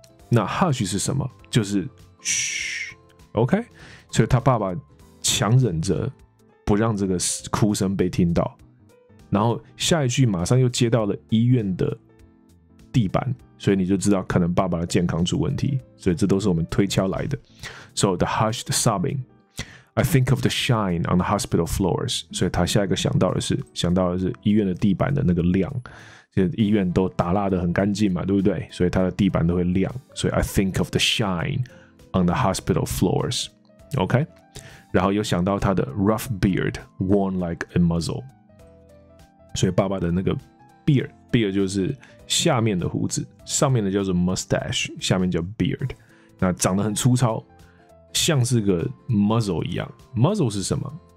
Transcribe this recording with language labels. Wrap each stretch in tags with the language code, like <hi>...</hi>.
<zh>那 hush 是什么？就是嘘。 OK， 所以他爸爸强忍着不让这个哭声被听到，然后下一句马上又接到了医院的地板，所以你就知道可能爸爸的健康出问题，所以这都是我们推敲来的。</zh> <en>So the hushed sobbing， I think of the shine on the hospital floors。</en> <zh>所以他下一个想到的是医院的地板的那个亮，医院都打蜡得很干净嘛，对不对？所以它的地板都会亮，所以</zh> <en>I think of the shine on the hospital floors。</en> <zh>OK， 然后又想到他的</zh> <en>rough beard worn like a muzzle，</en> <zh>所以爸爸的那个 beard 就是下面的胡子，上面的叫做 mustache， 下面叫 beard， 那长得很粗糙，像是个 muzzle 一样。muzzle 是什么？</zh>